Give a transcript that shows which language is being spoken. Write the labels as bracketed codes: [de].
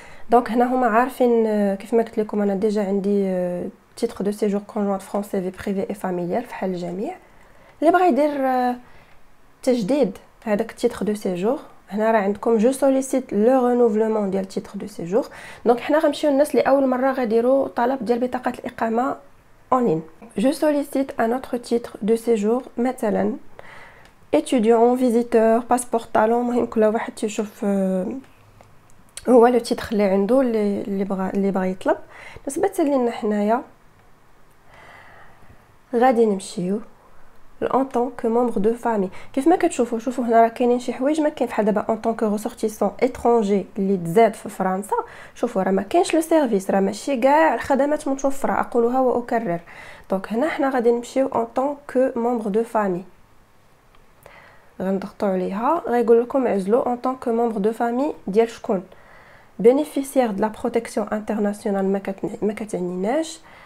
[ar] دونك هنا هما عارفين كيف ما قلت لكم انا ديجا عندي تيتر دو سيجور كونجوانت فرونسي في بريفي اي فاميليال في حال الجميع. اللي بغى يدير تجديد هذاك التيتر دو سيجور، هنا راه عندكم جو سوليسيت لو رينوفلمون ديال تيتر دو سيجور. دونك حنا غنمشيو للناس اللي اول مره غيديروا طلب ديال بطاقه الاقامه اونلاين. [fr] Je sollicite un autre titre de séjour, مثلاً étudiant, visiteur, passeport talent. [ar] مهم كل واحد يشوف هو لو تيتر اللي عنده اللي بغى يطلب. بالنسبة لينا حنايا غادي نمشيو en tant que membre de famille. كيف ما كتشوفوا، شوفوا هنا راه كاينين شي حوايج ما كاين فحال دابا en tant que ressortissant étranger اللي تزاد في فرنسا، شوفوا راه ما كاينش لو سيرفيس، راه ماشي كاع الخدمات متوفره، اقولها واكرر. دونك هنا حنا غادي نمشيو en tant que membre de famille، غنضغطوا عليها غيقول لكم عزلوا en tant que membre de famille ديال شكون، بينيفيسيير دو لا بروتيكسيون انترناسيونال ما كتعنيناش.